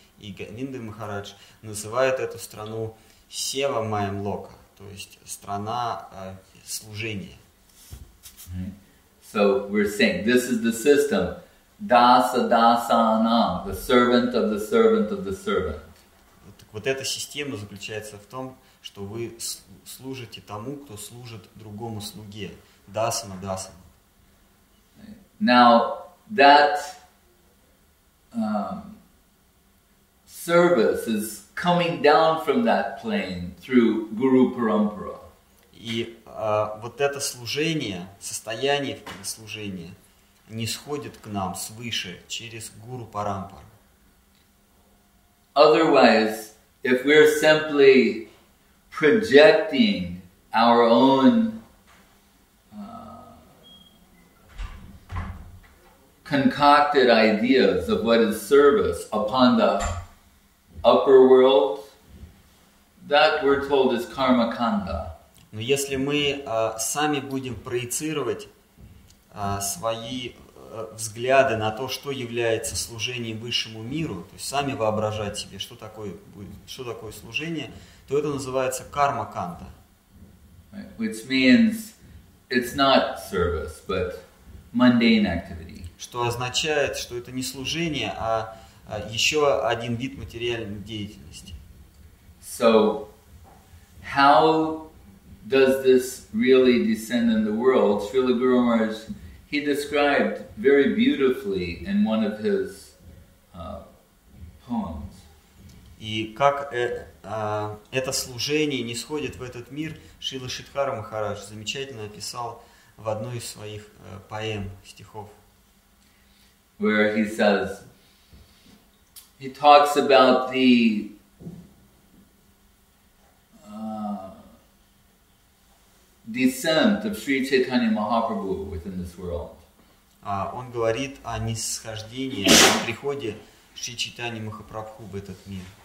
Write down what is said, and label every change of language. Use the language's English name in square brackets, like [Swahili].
[Russian] И Говинда Махарадж называет эту страну Сева Майам Лока, то есть страна служения. [English] Right. So we're saying this is the system. [Sanskrit] Dasa dasanam, [English] the servant of the servant of the servant. [Russian] Так вот эта система заключается в том, что вы служите тому, кто служит другому слуге. [Sanskrit] Dasana dasana. [English] Now that service is coming down from that plane through Guru Parampara. [Russian] И вот это служение, состояние служения, нисходит к нам свыше через Гуру Парампару. [English] Otherwise, if we're simply projecting our own concocted ideas of what is service upon the upper world, that we're told is karma kanda. [Russian] Но если мы сами будем проецировать свои взгляды на то, что является служением высшему миру, то есть сами воображать себе, что такое служение, то это называется карма канда. [English] Right. Which means it's not service, but mundane activity. [Russian] Что означает, что это не служение, а еще один вид материальной деятельности. [English] So, how does this really descend in the world? Srila Guru Maharaj, he described very beautifully in one of his poems. [Russian] И как это служение нисходит в этот мир, Шрила Шридхара Махарадж замечательно описал в одной из своих поэм, стихов. [English] Where he says, he talks about the descent of Sri Chaitanya Mahaprabhu within this world. [Russian] Он говорит о нисхождении, о приходе Шри Чайтаньи Махапрабху в этот мир.